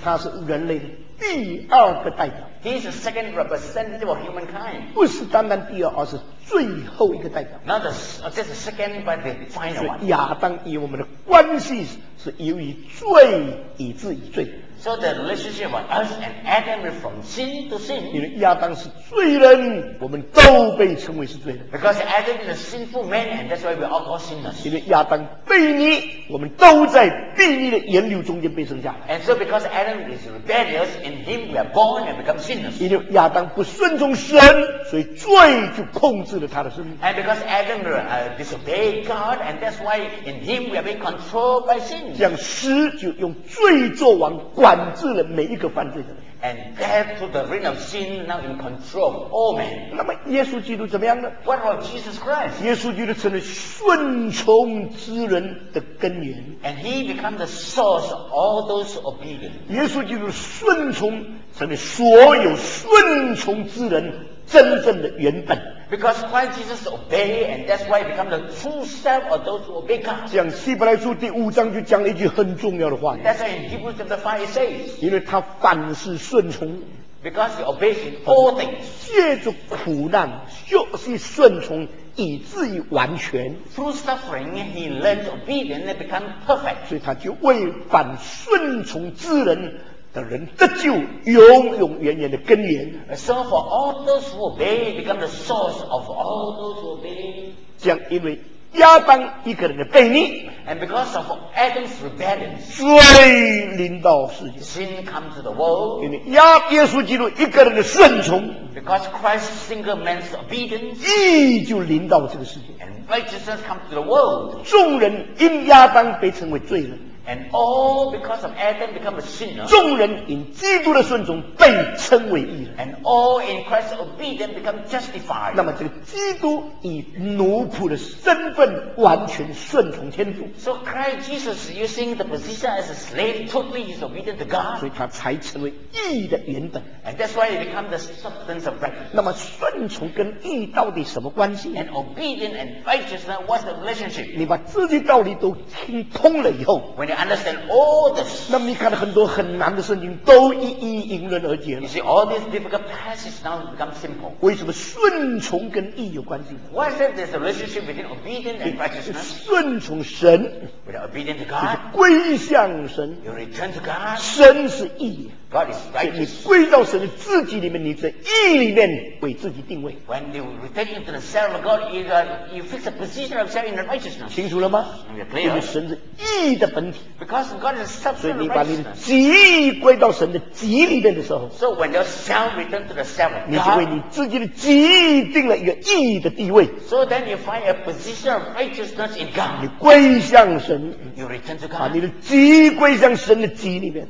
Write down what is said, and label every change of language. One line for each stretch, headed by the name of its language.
Chinese: 他是人类的第二个代表。
English: He is the second representative of humankind.
Chinese: 不是单单第二，而是最后一个代表。
English: Not just the second, but the final one.
Chinese: 亚当与我们的关系是由于罪以致以罪。
English: So the relationship of us and Adam is from sin to sin.
Chinese: 因为亚当是罪人，我们都被称为是罪人。
English: Because Adam is a sinful man, and that's why we all call sinners.
Chinese: 因为亚当悖逆，我们都在悖逆的源流中间被生下来。
English: And so because Adam is rebellious, in him we are born and become sinners.
Chinese: 因为亚当不顺从神，所以罪就控制了他的生命。
English: And because Adam disobeyed God, and that's why in him we are being controlled by sin.
Chinese: 这样死就用罪作王。管制了每一个犯罪的人。
English: And death to the reign of sin now in control of all men.
Chinese: 那么耶稣基督怎么样呢？
English: What about Jesus Christ?
Chinese: 耶稣基督成了顺从之人的根源。
English: And he became the source of all those obedience.
Chinese: 耶稣基督顺从成了所有顺从之人真正的原本。
English: Because Christ Jesus obeyed, and that's why he became the true self of those who obey God.
Chinese: 讲希伯来书第五章就讲了一句很重要的话。
English: That's why in Hebrews chapter 5 it says.
Chinese: 因为他凡事顺从。
English: Because you obey in all things.
Chinese: 借着苦难学习顺从，以至于完全。
English: Through suffering, he learns obedience and becomes perfect.
Chinese: 所以他就为反顺从之人的人得救，永永远远的根源。
English: So for all those who obey, become the source of all those who obey.
Chinese: 这样，因为亚当一个人的悖逆
English: ，and because of Adam's rebellion,
Chinese: 罪临到世界
English: ，sin comes to the world.
Chinese: 因为亚耶稣基督一个人的顺从
English: ，because Christ's single man's obedience,
Chinese: 义就临到这个世界
English: ，and righteousness comes to the world.
Chinese: 众人因亚当被称为罪人
English: ，and all because of Adam become a sinner.
Chinese: 众人因基督的顺从被称为义人
English: ，and all in Christ's obedience become justified.
Chinese: 那么这个基督以奴仆的身份完全顺从天主。
English: So Christ Jesus using the position as a slave totally is obedient to God.
Chinese: 所以他才成为义的原本。
English: And that's why it becomes the substance of righteousness.
Chinese: 那么顺从跟义到底什么关系
English: ？And obedience and righteousness, what's the relationship?
Chinese: 你把这些道理都听通了以后
English: ，When you understand all this,
Chinese: 那么你看到很多很难的圣经都一一迎刃而解了。
English: You see all these difficult passages now become simple.
Chinese: 为什么顺从跟义有关系
English: ？Why is there a relationship between obedience and righteousness.
Chinese: 顺从神
English: ，with obedience to God，
Chinese: 就是归向神。
English: You return to God，
Chinese: 神是义。
English: God is righteous.
Chinese: 你归到神的自己里面，你在义里面为自己定位。
English: When you return into the self of God, you fix a position of self in the righteousness.
Chinese: 清楚了吗？
English: Clear.
Chinese: 因为神是义的本体。
English: Because God is substance of righteousness.
Chinese: 所以你把你的己归到神的己里面的时候
English: ，So when your self return to the self of God,
Chinese: 你就为你自己的己定了一个义的地位。
English: So then you find a position of righteousness in God.
Chinese: 你归向神
English: ，You return to God.
Chinese: 把你的己归向神的己里面。